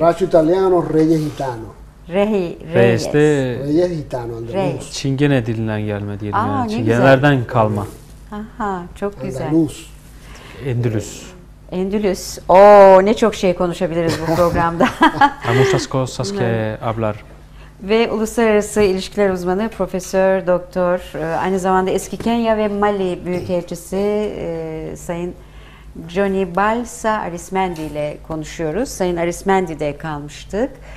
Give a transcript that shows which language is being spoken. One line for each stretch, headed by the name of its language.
Spanish: Braccio Italiano, Reyes Gitano. Reyes. Reyes Gitano. Reyes.
Turkish: Çingene dilinden gelme diyelim. Aa, yani. Çingenelerden kalma. Aha, çok güzel.
Spanish: Andaluz.
Turkish: Endülüs. Endülüs. Oo, ne çok şey konuşabiliriz bu programda.
Spanish: Muchas cosas que hablar.
Turkish: Ve uluslararası ilişkiler uzmanı Profesör Doktor, aynı zamanda eski Kenya ve Mali Büyükelçisi Sayın Johnny Balsa Arismendi ile konuşuyoruz. Sayın Arismendi'de kalmıştık.